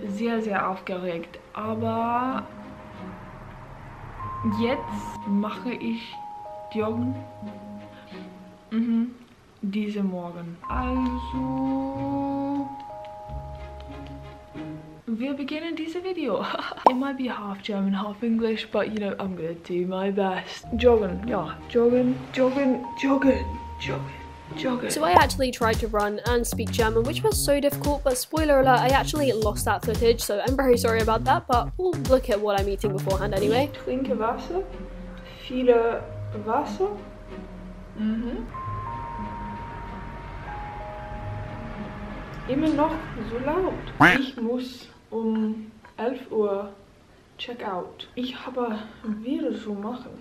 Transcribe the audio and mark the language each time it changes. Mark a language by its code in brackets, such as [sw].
[de] Sehr, sehr aufgeregt. Aber jetzt mache ich Joggen. Mhm. Diese Morgen. Also, wir beginnen dieses Video. [en] It might be half German, half English, but you know, I'm gonna do my best. [de] Joggen, ja. Joggen, joggen, joggen, joggen. [en] So I actually tried to run and speak German, which was so difficult, but spoiler alert, I actually lost that footage, so I'm very sorry about that, but we'll look at what I'm eating beforehand anyway. [de] Ich trinke Wasser, viele Wasser. Mhm. Immer noch so laut. Ich muss um 11 Uhr [en] check out. [de] Ich habe wieder so machen.